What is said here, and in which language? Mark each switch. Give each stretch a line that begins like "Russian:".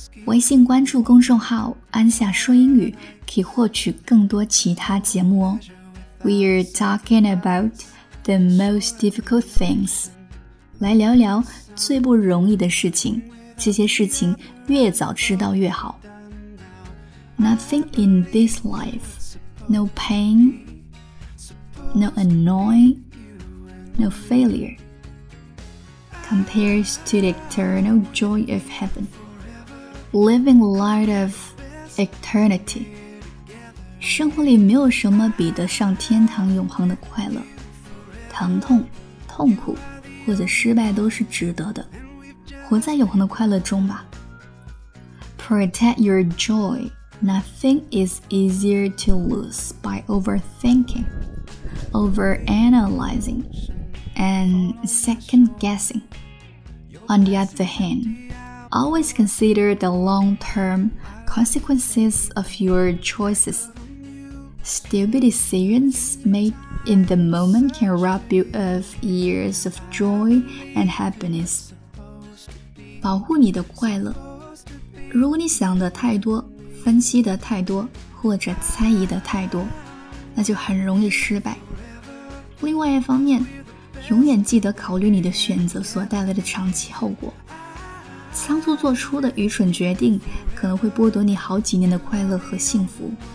Chinese: 微信关注公众号安夏说英语，可以获取更多其他节目哦。
English: We're talking about the most difficult things，
Chinese: 来聊聊最不容易的事情，这些事情越早知道越好。
English: Nothing in this life, no pain, no annoying, no failure, compares to the eternal joy of heaven, living light of eternity.
Chinese: 生活里没有什么比得上天堂永恒的快乐，疼痛、痛苦或者失败都是值得的，活在永恒的快乐中吧。
English: Protect your joy. Nothing is easier to lose by overthinking, overanalyzing, and second-guessing. On the other hand, always consider the long-term consequences of your choices. Stupid decisions made in the moment can rob you of years of joy and happiness.
Chinese: 保护你的快乐。如果你想的太多，分析的太多，或者猜疑的太多，那就很容易失败。另外一方面，永远记得考虑你的选择所带来的长期后果。仓促做出的愚蠢决定可能会剥夺你好几年的快乐和幸福。